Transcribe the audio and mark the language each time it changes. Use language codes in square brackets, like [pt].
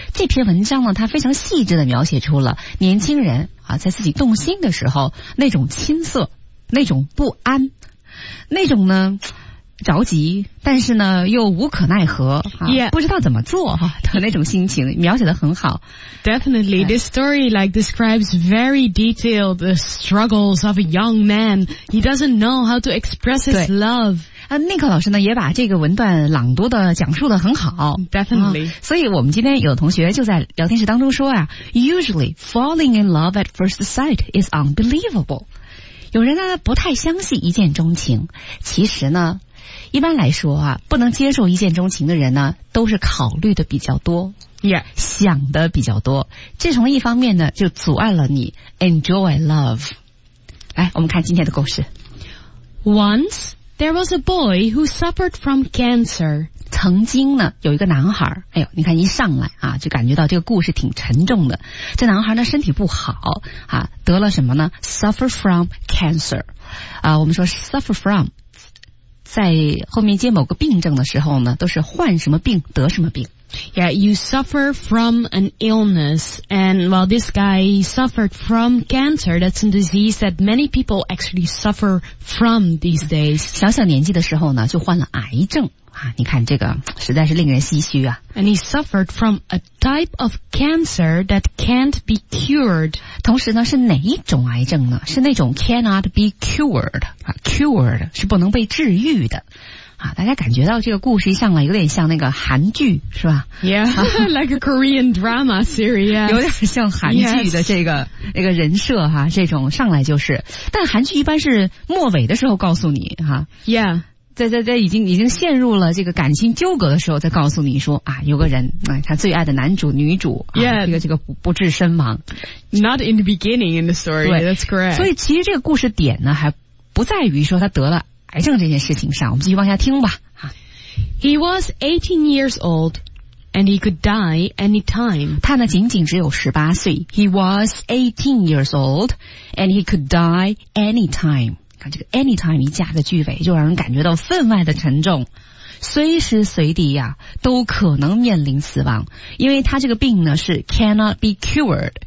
[zh] 这篇文章呢，它非常细致地描写出了年轻人啊，在自己动心的时候那种青涩、那种不安、那种呢着急，但是呢又无可奈何、啊 [en] yeah. [zh] 不知道怎么做、啊、的那种心情描写得很好。 [en] Definitely, this story like describes very detailed the struggles of a young man. He doesn't know how to express his love. [zh] Nico 老师呢也把这个文段朗读的讲述得很好。 [en] Definitely.、 [zh] 啊、所以我们今天有同学就在聊天室当中说啊， [en] Usually falling in love at first sight is unbelievable. [zh] 有人呢不太相信一见钟情，其实呢一般来说啊，不能接受一见钟情的人呢，都是考虑的比较多、 [en] yeah. [zh] 想的比较多，这从一方面呢就阻碍了你 [en] enjoy love。 [zh] 来我们看今天的故事。 [en] Once there was a boy who suffered from cancer. [zh] 曾经呢有一个男孩，哎呦，你看一上来啊就感觉到这个故事挺沉重的。这男孩呢身体不好啊，得了什么呢？ [en] suffer from cancer [zh] 啊，我们说 [en] suffer from [zh] 在后面接某个病症的时候呢，都是患什么病得什么病。 [en] Yeah, you suffer from an illness, and well, this guy suffered from cancer. That's a disease that many people actually suffer from these days. [zh] 小小年纪的时候呢，就患了癌症啊！你看这个实在是令人唏嘘啊。 [en] And he suffered from a type of cancer that can't be cured. [zh] 同时呢，是哪一种癌症呢？是那种 [en] cannot be cured [zh] 啊 ，cured 是不能被治愈的。啊，大家感觉到这个故事一上来有点像那个韩剧，是吧 [en] ？Yeah, like a Korean drama series.、Yes. [zh] 有点像韩剧的这个、 [en] yes. [zh] 那个人设哈、啊，这种上来就是，但韩剧一般是末尾的时候告诉你哈、啊。 [en] Yeah, [zh] 在已经陷入了这个感情纠葛的时候，再告诉你说啊，有个人啊，他最爱的男主女主、啊、 [en] ，Yeah, [zh] 这个不治身亡。 [en] Not in the beginning in the story. That's correct. [zh] 所以其实这个故事点呢，还不在于说他得了。癌症这件事情上，我们继续往下听吧。 [en] He was 18 years old, and he could die any time. [zh] 他呢，仅仅只有18岁。 [en] He was 18 years old, and he could die any time. [zh] 看这个 [en] any time [zh] 一加个句尾，就让人感觉到分外的沉重。随时随地呀、啊，都可能面临死亡，因为他这个病呢是 [en] cannot be cured.